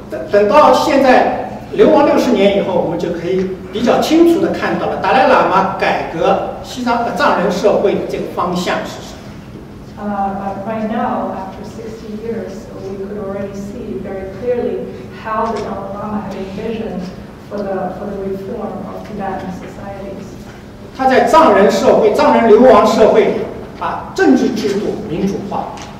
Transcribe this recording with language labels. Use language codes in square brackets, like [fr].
[zh] 等到现在流亡六十年以后，我们就可以比较清楚地看到了达赖喇嘛改革西藏藏人社会的这个方向是。 [en] Right now, after 60 years, we could already see very clearly how the Dalai Lama had envisioned for the reform of Tibetan societies. [zh] 他在藏人社会、藏人流亡社会把政治制度民主化。